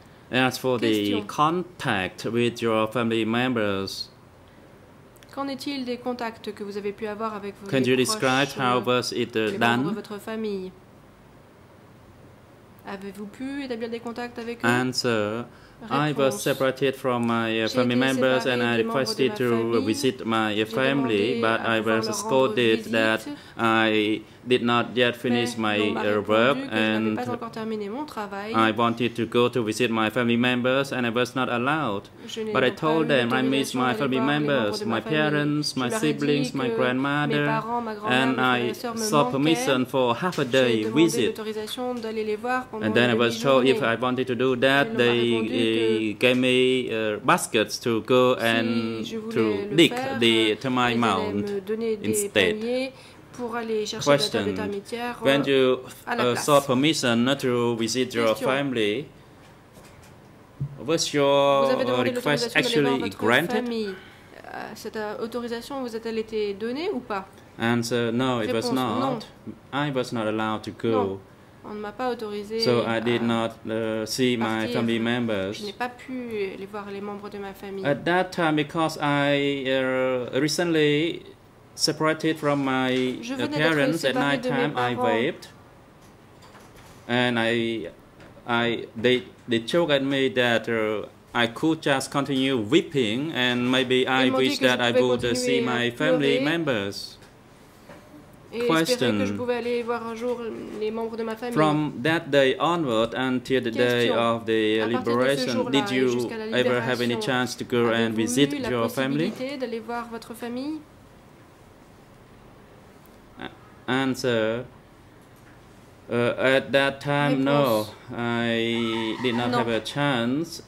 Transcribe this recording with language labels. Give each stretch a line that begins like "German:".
English: As for the contact with your family members,
French: qu'en est-il des contacts que vous avez pu avoir avec vos proches?
English: Can you describe how was it done?
French: Votre famille. Avez-vous pu établir des contacts avec eux?
English: Answer. I was separated from my family members and I requested to visit my family, but I was scolded that I did not yet finish my work and I wanted to go to visit my family members and I was not allowed. But I told them I miss my family members, my parents, my siblings, my grandmother, and I sought permission for half a day visit. And then I was told if I wanted to do that, they gave me baskets to go and to dig the termite mound instead. Question. When you sought permission not to visit your family, was your request actually granted?
French: Cette autorisation vous a-t-elle été donnée ou pas?
English: Answer. No, it was not. I was not allowed to go.
French: On ne m'a pas autorisé
English: so I did not see my family members.
French: Je n'ai pas pu les voir les membres de ma famille.
English: At that time, because I recently separated from my parents at night time, I vaped, and they joked at me that I could just continue weeping, and maybe I wish that I would see my family members. Question.
French: Que je pouvais aller voir un jour les membres de ma famille.
English: From that day onward until the day of the liberation, did you ever have any chance to go and visit your family?
French: D'aller voir votre famille?
English: Answer. At that time, no, I did not have a chance.